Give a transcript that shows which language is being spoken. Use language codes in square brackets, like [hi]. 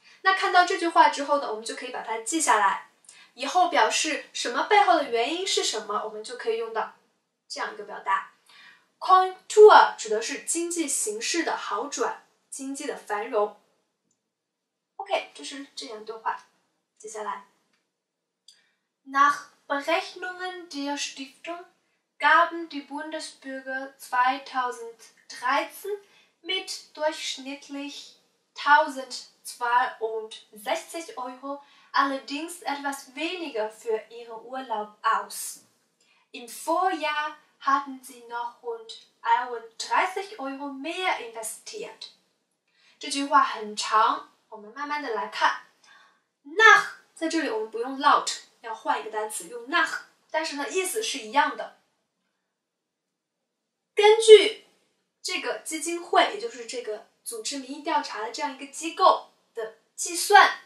[zh] 那看到这句话之后呢，我们就可以把它记下来，以后表示什么背后的原因是什么，我们就可以用到这样一个表达。 Kontur 指的是经济形势的好转，经济的繁荣。 OK， 这是这样对话。接下来 [de] Nach Berechnungen der Stiftung gaben die Bundesbürger 2013 mit durchschnittlich 1062 Euro allerdings etwas weniger für ihren Urlaub aus. Im Vorjahr hatten sie noch rund 31 Euro mehr investiert. [zh] 这句话很长，我们慢慢的来看。Nach 在这里我们不用 laut， 要换一个单词用 nach， 但是呢意思是一样的。根据这个基金会，也就是这个组织民意调查的这样一个机构的计算